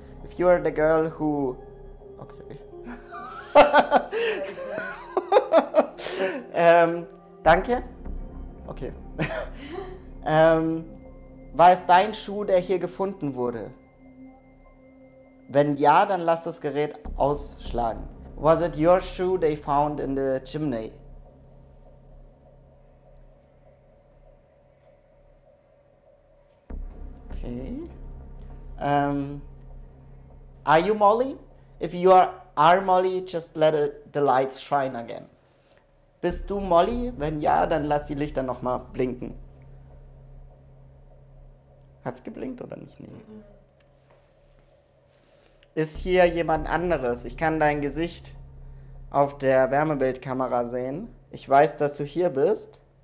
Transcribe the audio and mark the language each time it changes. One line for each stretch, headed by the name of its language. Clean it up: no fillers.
English: If you are the girl who... Okay.
German: danke. Okay. war es dein Schuh, der hier gefunden wurde? Wenn ja, dann lass das Gerät ausschlagen.
English: Was it your shoe they found in the chimney? Okay. Are you Molly? If you are Molly, just let the lights shine again.
German: Bist du Molly? Wenn ja, dann lass die Lichter nochmal blinken. Hat's geblinkt oder nicht? Nee. Ist hier jemand anderes? Ich kann dein Gesicht auf der Wärmebildkamera sehen. Ich weiß, dass du hier bist.